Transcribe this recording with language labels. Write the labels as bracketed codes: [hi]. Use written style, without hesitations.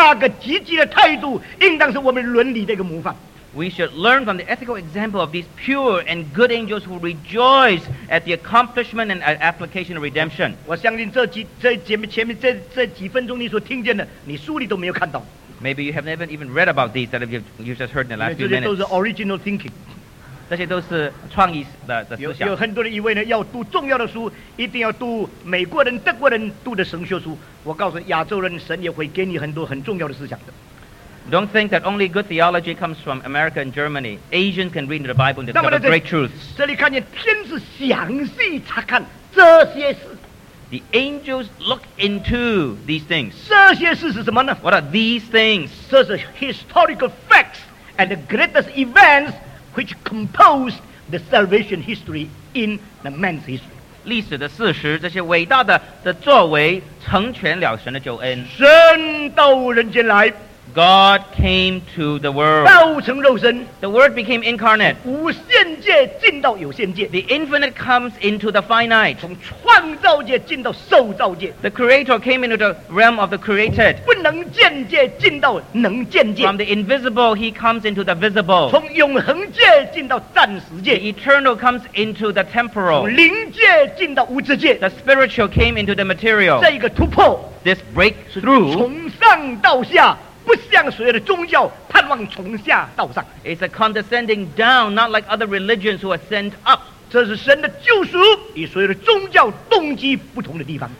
[zh] 天上纯洁的善良的天使，他对福音同福音的果效，对人承受福音的可能，那个积极的态度，应当是我们伦理的一个模范。 [en] We should learn from the ethical example of these pure and good angels who rejoice at the accomplishment and application of redemption. Maybe you haven't even read about these that you've just heard in the last few minutes. Those are original thinking. [zh] 这些都是创意的思想。有很多人以为呢，要读重要的书，一定要读美国人、德国人读的神学书。我告诉亚洲人，神也会给你很多很重要的思想的。 [en] Don't think that only good theology comes from America and Germany. Asians can read the Bible and discover great truths. [zh] 这里看见天使详细查看, [en] the angels look into these things. [zh] 这些事是什么呢? [en] What are these things? These are historical facts and the greatest events which composed the salvation history in the man's history. [zh] 历史的事实这些伟大的作为成全了神的救恩神到人间来 [en] God came to the world [zh] 道成肉身, [en] the word became incarnate [zh] 无限界进到有限界, [en] the infinite comes into the finite [zh] 从创造界进到受造界, [en] the creator came into the realm of the created [zh] 不能见界进到能见界, [en] from the invisible he comes into the visible [zh] 从永恒界进到暂时界, [en] the eternal comes into the temporal [zh] 从灵界进到物质界, [en] the spiritual came into the material [zh] 这一个突破, [en] this breakthrough [zh] 从上到下, 不像所有的宗教盼望从下到上 [en] It's a condescending down Not like other religions who are sent up [zh] 这是神的救赎与所有的宗教动机不同的地方